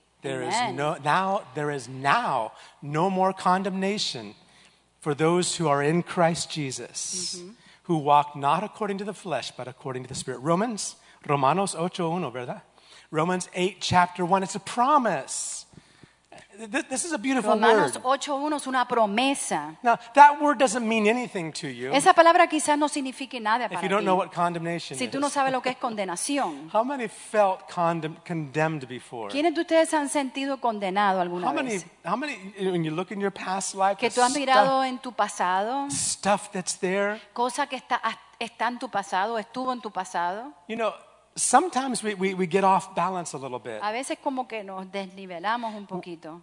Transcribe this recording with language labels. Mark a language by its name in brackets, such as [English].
[English] There Amen. Is no now there is now no more condemnation for those who are in Christ Jesus mm-hmm. who walk not according to the flesh but according to the Spirit. [Spanish] Romanos 8:1, ¿verdad? [English] Romans 8 chapter 1. It's a promise. This is a beautiful word. [Spanish] Romanos 8:1 es una promesa. [English] Now, that word doesn't mean anything to you. [Spanish] Esa palabra quizás no signifique nada para ti. [English] If you don't know what condemnation is. [Spanish] Si tú no sabes lo que es condenación. [English] How many felt condemned before? [Spanish] ¿Quiénes de ustedes han sentido condenado alguna vez? [English] How many when you look in your past life? [Spanish] Que tú has mirado en tu pasado. [English] Stuff that's there. [Spanish] Cosa que está en tu pasado, estuvo en tu pasado. [English] You know, sometimes we get off balance a little bit. [Spanish] A veces como que nos desnivelamos un poquito.